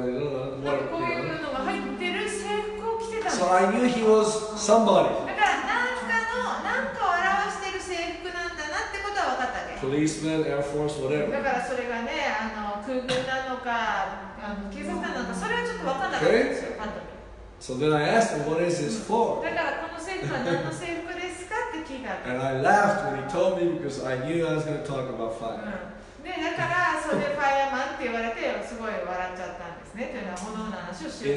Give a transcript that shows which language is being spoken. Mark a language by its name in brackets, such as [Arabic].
[Japanese] なんかこういうのが入ってる制服を着てたの。 [English] So I knew he was somebody. [Japanese] だから何かの、何かを表してる制服なんだなってことは分かったね。 [English] Policeman, Air Force, whatever. [Japanese] だからそれがね、あの、空軍なのか、あの、警察官なのか、それはちょっと分かんなかったんですよ、 [English] okay. So then I asked him, what is this for? [Japanese] だからこの制服は何の制服ですかって聞いた。 [English] And I laughed when he told me because I knew I was going to talk about fire. [Japanese] だから、それでファイアマンって言われて、すごい笑っちゃったんですね。というのは、炎の話をして、